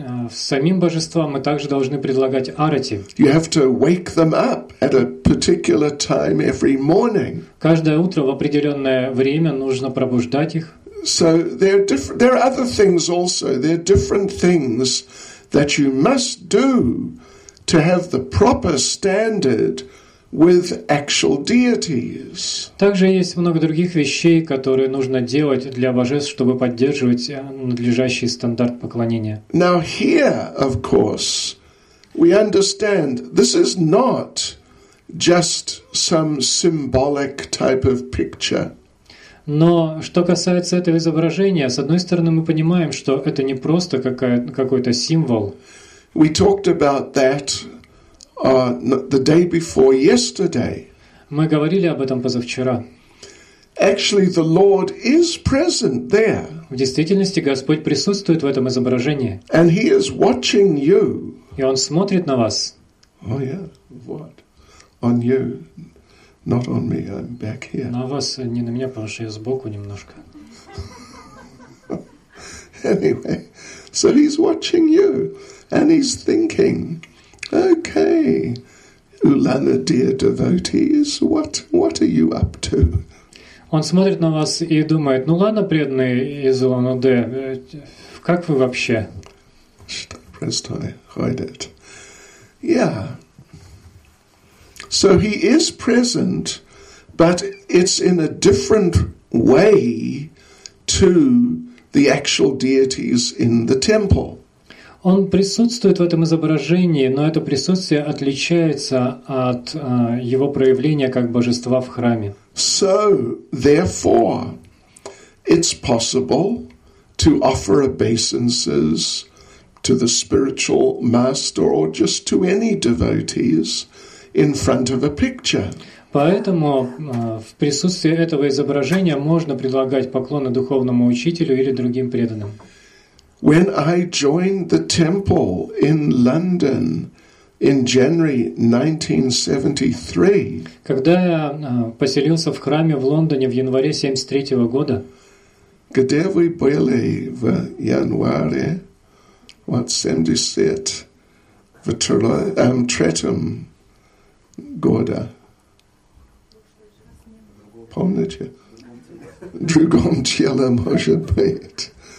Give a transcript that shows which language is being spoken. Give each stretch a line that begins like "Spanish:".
Russian: Самим божествам мы также должны предлагать арати.
English: You have to wake them up at a particular time every morning.
Russian: Каждое утро в определенное время нужно пробуждать их.
English: So there are other things also. There are different things that you must do to have the proper standard with actual deities.
Russian: Также есть много других вещей, которые нужно делать для божеств, чтобы поддерживать надлежащий стандарт поклонения.
English: Now here, of course, we understand this is not just some symbolic type of picture.
Russian: Но что касается этого изображения, с одной стороны, мы понимаем, что это не просто какой-то символ.
English: We talked about that the day before yesterday.
Russian: Мы говорили об этом позавчера.
English: Actually, the Lord is present there.
Russian: В действительности Господь присутствует в этом изображении.
English: And He is watching you.
Russian: И Он смотрит на вас.
English: Oh yeah, what? On you, not on me. I'm back here.
Russian: На вас, не на меня, потому что я сбоку немножко.
English: Anyway, so He's watching you. And he's thinking, okay, Ulana, dear devotees, what are you up to?
Russian: Он смотрит на вас и думает, ну ладно, преданные из Улан-Удэ, как вы вообще?
English: Rest I hide it. Yeah. So he is present, but it's in a different way to the actual deities in the temple.
Russian: Он присутствует в этом изображении, но это присутствие отличается от его проявления как божества в храме.
English: So, therefore, it's possible to offer obeisances to the spiritual master or just to any devotees in front of a picture.
Russian: Поэтому в присутствии этого изображения можно предлагать поклоны духовному учителю или другим преданным.
English: When I joined the temple in London in January 1973,
Russian: когда я поселился в храме в Лондоне в январе 73 года, где вы были в январе, вот 73-м года, помните, другом теле, может быть.